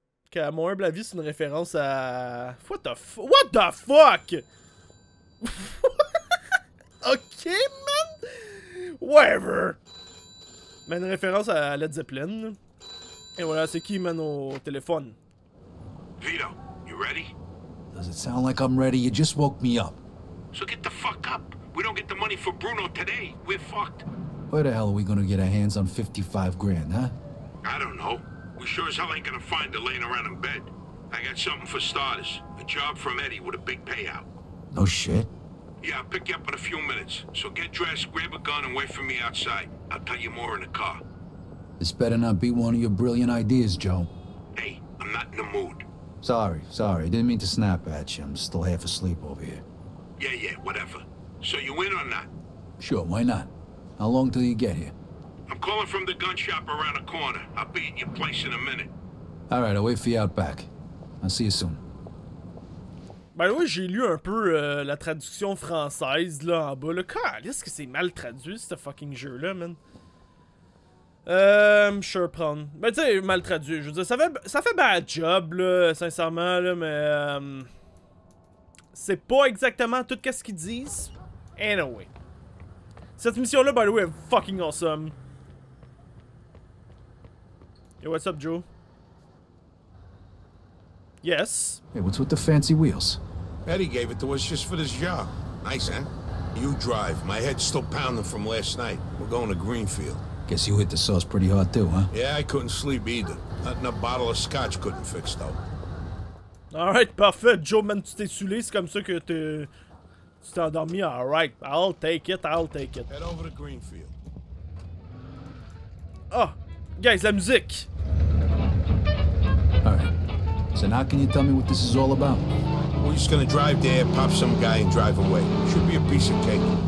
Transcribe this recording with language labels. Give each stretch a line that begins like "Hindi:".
French: Qu'à mon humble avis, c'est une référence à...
English: What the fuck? Ok, man! Whatever!
French: Mais une référence à Led Zeppelin. Et voilà, c'est qui, man, au téléphone?
English: Vito, You ready? Does it sound like I'm ready? You just woke me up. So get the fuck up. We don't get the money for Bruno today. We're fucked. Where the hell are we gonna get our hands on 55 grand, huh? I don't know. We sure as hell ain't gonna find her laying around in bed. I got something for starters. A job from Eddie with a big payout. No shit. Yeah, I'll pick you up in a few minutes. So get dressed, grab a gun, and wait for me outside. I'll tell you more in the car. This better not be one of your brilliant ideas, Joe. Hey, I'm not in the mood. Sorry. Didn't mean to snap at you. I'm still half asleep over here. Yeah, whatever. So you in or not? Sure, why not? How long till you get here? I'm calling from the gun shop around the corner. I'll be in your place in a minute. All right, I'll wait for you out back. I'll see you soon.
French: Ben là, ouais, j'ai lu un peu la traduction française, là, en bas. Le cas, est-ce que c'est mal traduit, ce fucking jeu-là, man? Surprendre. Ben, tu sais, mal traduit, je veux dire, ça fait
English: bad job,
French: là, sincèrement, là, mais... c'est pas exactement tout ce qu'ils disent. Anyway. Cette mission-là,
English: by the way,
French: est
English: fucking awesome. Hey, what's up, Joe? Yes. Hey, what's with the fancy wheels? Eddie gave it to us just for this job. Nice, eh? You drive. My head's still pounding from last night. We're going to Greenfield. Guess you hit the sauce pretty hard too, huh? Yeah, I couldn't sleep either. Nothing a bottle of scotch couldn't fix, though.
French: Alright, parfait. Joe, man, tu t'es saoulé, c'est comme ça que tu t'es endormi.
English: Alright, I'll take it. Head over to Greenfield.
French: Oh, guys, la musique!
English: So now can you tell me what this is all about? We're just gonna drive there, pop some guy, and drive away. Should be a piece of cake.